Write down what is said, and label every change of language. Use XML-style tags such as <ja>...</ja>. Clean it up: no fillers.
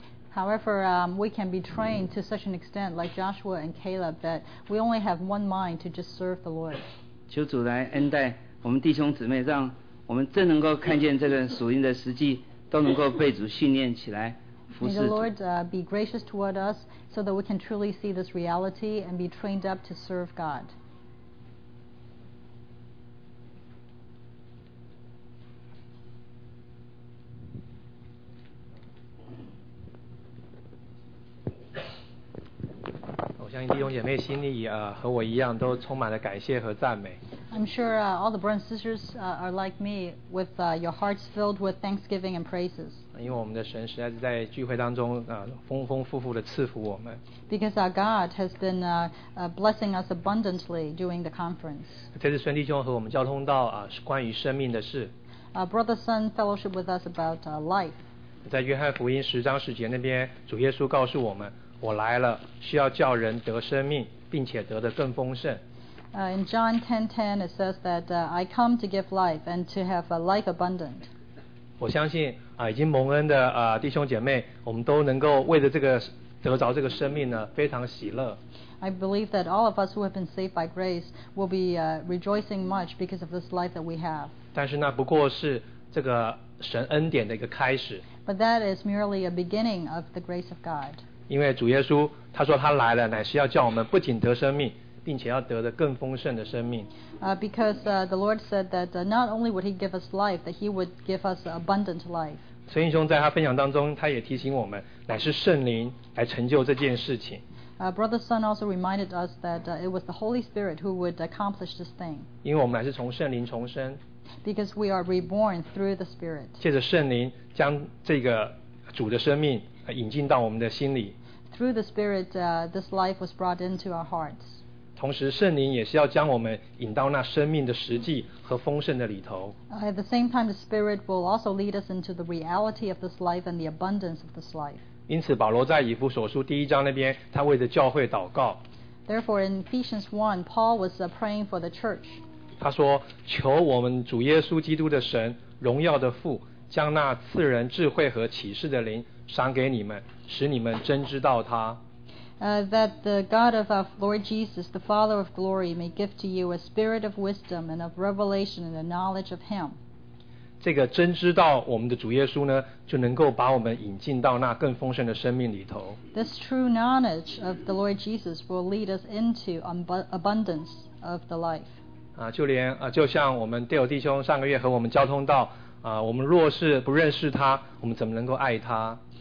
<en>However, we can be trained to such an extent like Joshua and Caleb that we only have one mind to just serve the Lord.</en> <zh>求主来恩待我们弟兄姊妹，让我们真能够看见这个属灵的实际，都能够被主训练起来服侍主。</zh> <en>May the Lord be gracious toward us so that we can truly see this reality and be trained up to serve God. I'm sure all the brothers and sisters are like me with your hearts filled with thanksgiving and praises. Because our God has been blessing us abundantly during the conference. Brother Sun fellowship with us about life.</en> <zh>在约翰福音十章十节那边，主耶稣告诉我们，我来了是要叫人得生命，并且得的更丰盛。</zh> <en>In John 10:10, it says that I come to give life and to have a life abundant.</en> <zh>我相信已经蒙恩的弟兄姐妹，我们都能够为着这个得着这个生命呢，非常喜乐。</zh> <en>I believe that all of us who have been saved by grace will be rejoicing much because of this life that we have.</en> <zh>但是那不过是这个神恩典的一个开始。</zh> <en>But that is merely a beginning of the grace of God.</en> <zh>因为主耶稣他说他来了，乃是要叫我们不仅得生命，并且要得的更丰盛的生命。</zh> <en>Because the Lord said that not only would He give us life, that He would give us abundant life.</en> <zh>陈英雄在他分享当中，他也提醒我们，乃是圣灵来成就这件事情。</zh> <en>Brother Sun also reminded us that it was the Holy Spirit who would accomplish this thing.</en> <zh>因为我们乃是从圣灵重生。</zh> <en>Because we are reborn through the Spirit.</en> <zh>借着圣灵将这个主的生命引进到我们的心里。</zh> <en>Through the Spirit, this life was brought into our hearts.</en> <zh>同时圣灵也是要将我们引到那生命的实际和丰盛的里头。</zh> <en>At the same time, the Spirit will also lead us into the reality of this life and the abundance of this life.</en> <zh>因此保罗在以弗所书第一章那边，他为着教会祷告。</zh> <en>Therefore, in Ephesians 1, Paul was praying for the church.</en> <zh>他说，求我们主耶稣基督的神，荣耀的父，将那赐人智慧和启示的灵赏给你们，使你们真知道他。</zh> <en>That the God of our Lord Jesus, the Father of glory, may give to you a spirit of wisdom and of revelation and the knowledge of Him.</en> <zh>这个真知道我们的主耶稣呢，就能够把我们引进到那更丰盛的生命里头。</zh> <en>This true knowledge of the Lord Jesus will lead us into abundance of the life.</en> <zh>就像我们Dale弟兄上个月和我们交通道，我们若是不认识他，我们怎么能够爱他？</zh>